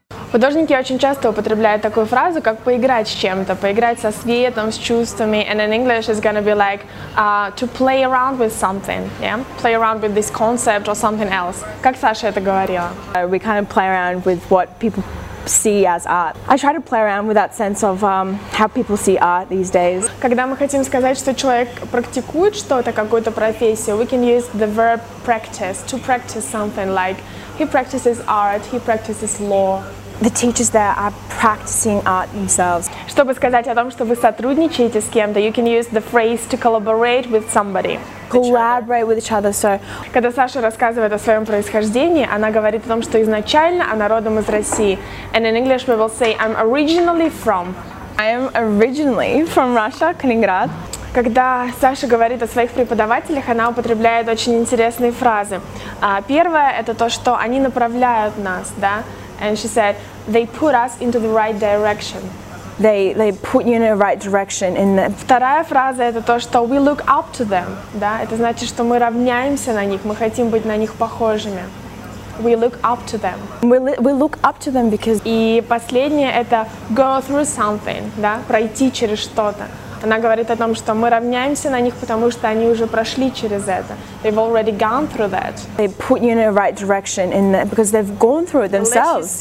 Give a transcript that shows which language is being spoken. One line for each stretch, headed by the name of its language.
Russian: Художники очень часто употребляют такую фразу, как поиграть с чем-то, поиграть со светом, с чувствами.
English: And in English it's gonna be like to play around with something, yeah? Play around with this concept or something else.
Russian: Как Саша это говорила?
English: We kind of play around with what people see as art. I try to play around with that sense of how people see art these days.
Russian: Когда мы хотим сказать, что человек практикует что-то, какую-то профессию,
English: we can use the verb practice, to practice something, like he practices art, he practices law. The teachers there are practicing art themselves.
Russian: Чтобы сказать о том, что вы сотрудничаете с кем-то,
English: you can use the phrase to collaborate with somebody. Collaborate with each other, so.
Russian: Когда Саша рассказывает о своем происхождении, она говорит о том, что изначально она родом из России.
English: And in English we will say, I'm originally from. I am originally from Russia, Kaliningrad.
Russian: Когда Саша говорит о своих преподавателях, она употребляет очень интересные фразы. Первое, это то, что они направляют нас, да?
English: And she said, they put us into the right direction. They put you in the right direction. In the...
Russian: Вторая фраза – это то, что
English: we look up to them.
Russian: Да? Это значит, что мы равняемся на них, мы хотим быть на них похожими.
English: We look up to them. We look up to them because...
Russian: И последнее – это
English: go through something,
Russian: да? Пройти через что-то. Она говорит о том, что мы равняемся на них, потому что они уже прошли через это.
English: They've already gone through that. They put you in the right direction in that because they've gone through it themselves.